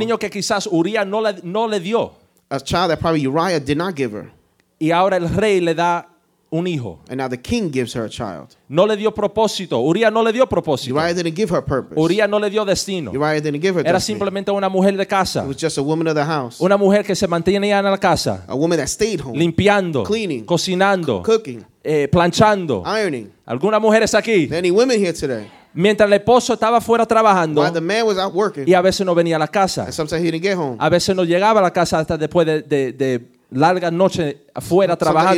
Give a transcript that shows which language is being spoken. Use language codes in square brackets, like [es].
[es] Un niño que quizás Uriah no le dio. [en] A child that probably Uriah did not give her. [es] Y ahora el rey le da un hijo. [en] And now the king gives her a child. [es] No le dio propósito. Uriah no le dio propósito. [en] Uriah didn't give her purpose. [es] Uriah no le dio destino. [en] Uriah didn't give her destiny. [es] Era simplemente una mujer de casa. [en] It was just a woman of the house. [es] Una mujer que se mantenía en la casa. [en] A woman that stayed home. [es] Limpiando. [en] Cleaning. [es] Cocinando. [en] Cooking. [es] Planchando. [en] Ironing. [es] ¿Alguna mujer es aquí? [en] Any women here today? [es] Mientras el esposo estaba fuera trabajando. [en] While the man was out working. [es] Y a veces no venía a la casa. [en] And sometimes he didn't get home. [es] A veces no llegaba a la casa hasta después de larga noche afuera trabajando.